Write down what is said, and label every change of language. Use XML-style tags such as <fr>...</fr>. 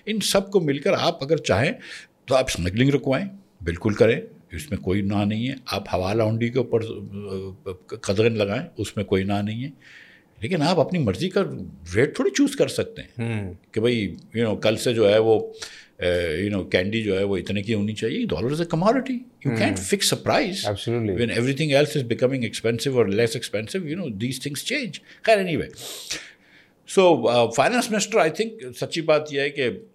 <ur>ان سب کو مل کر آپ اگر چاہیں تو آپ اسمگلنگ رکوائیں, بالکل کریں, اس میں کوئی نہ نہیں ہے. آپ حوالہ ہنڈی کے اوپر قدغن لگائیں, اس میں کوئی نہ نہیں ہے. لیکن آپ اپنی مرضی کا ریٹ تھوڑی چوز کر سکتے ہیں کہ بھائی یو نو کل سے جو ہے وہ یو نو کینڈی جو ہے وہ اتنے کی ہونی چاہیے.</ur> <en>Dollar is a commodity, you can't fix a price. Absolutely, when everything else is becoming expensive اور less expensive, you know these things change. خیر, anyway, so finance minister, I think</en> <ur>سچی بات یہ ہے کہ</ur>